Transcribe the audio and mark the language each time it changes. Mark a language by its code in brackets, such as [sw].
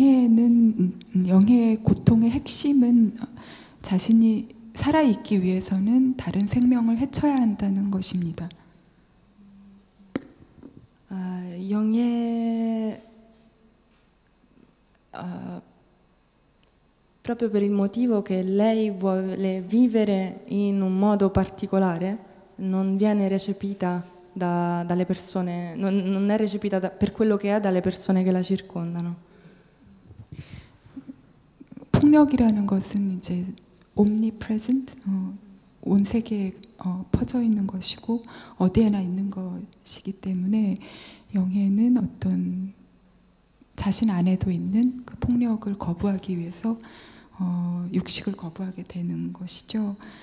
[ko] Yong Ye의 고통의 핵심은 자신이 살아있기 위해서는 다른 생명을 해쳐야 한다는 것입니다. [it] 영예, proprio per il motivo che lei vuole vivere in un modo particolare, non viene recepita dalle persone, non è recepita per quello che è dalle persone che la circondano. [ko] 폭력이라는 것은 이제 omnipresent, 온 세계에 퍼져 있는 것이고 어디에나 있는 것이기 때문에 영혜는 어떤 자신 안에도 있는 그 폭력을 거부하기 위해서 육식을 거부하게 되는 것이죠.